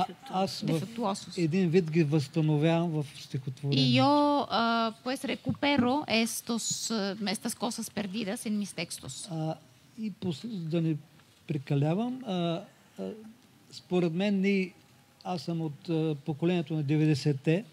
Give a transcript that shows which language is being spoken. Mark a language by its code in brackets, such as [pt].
[bg] Аз един вид ги възстановявам в стихотворението. [es] Y yo pues recupero estas cosas perdidas en mis textos. [bg] И да не прекалявам, според мен ни аз съм от поколението на 90-те.